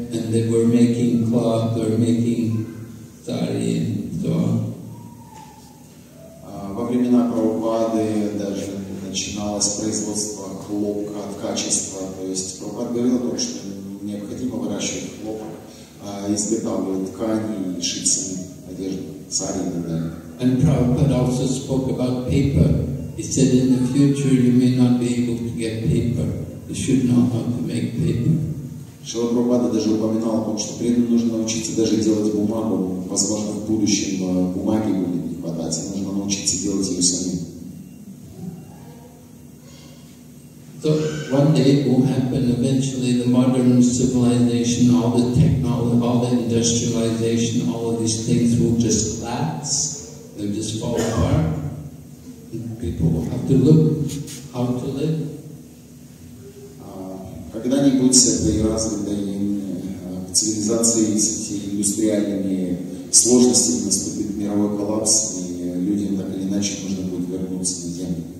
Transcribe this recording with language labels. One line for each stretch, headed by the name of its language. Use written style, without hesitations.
English: They were making cloth, they were making sari and so on.
Russian: Прабхупады даже начиналось производство хлопка от качества. То есть Прабхупада говорил о том, что необходимо выращивать хлопок, а изготавливать ткани и шить саму одежду, сари и так далее.
English: And Prabhupada also spoke about paper. He said, in the future you may not be able to get paper. You should know how to make paper.
Russian: Шрила Прабхупада даже упоминал о том, что преданным нужно научиться даже делать бумагу. Возможно, в будущем бумаги будет не хватать, и нужно научиться делать ее самим.
English: So one day it will happen, eventually the modern civilization, all the technology, all the industrialization, all of these things will just collapse, they'll just fall apart, and people will have to look how to live.
Russian: Когда-нибудь с этой развитой цивилизацией, с этими индустриальными сложностями наступит мировой коллапс, и людям так или иначе нужно будет вернуться на землю.